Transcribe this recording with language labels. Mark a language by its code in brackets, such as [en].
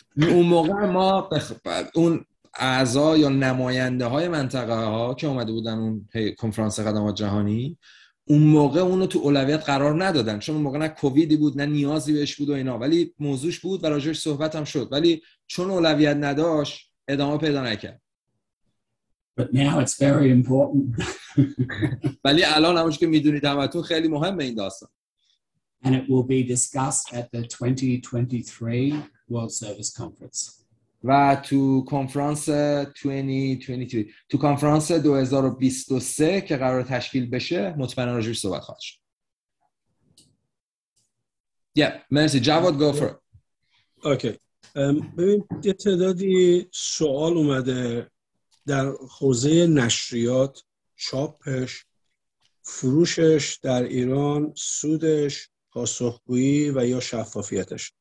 [fa] اون موقع ما اون اعضا یا نماینده های منطقه ها که اومده بودن اون کنفرانس خدمات جهانی، اون موقع اونو تو اولویت قرار ندادن چون اون موقع نه کوویدی بود نه نیازی بهش بود و اینا، ولی موضوعش بود و راجعش صحبت هم شد، ولی چون اولویت نداشت ادامه پیدا نکرد. [en] But now it's very important. [fa] ولی الان همونش که میدونید همتون خیلی مهمه این داستان. [en] And it will be discussed at the 2023 World Service Conference. [fa] و تو کنفرانس 2023 تو کنفرانس 2023 که قرار تشکیل بشه مطمئنا راجعش صحبت خواهد شد. [en] Yeah, مرسی جواد، go for it. Okay. [fa] ببین یه تعدادی سوال اومده در حوزه نشریات، چاپش، فروشش در ایران، سودش، پاسخگویی و یا شفافیتش.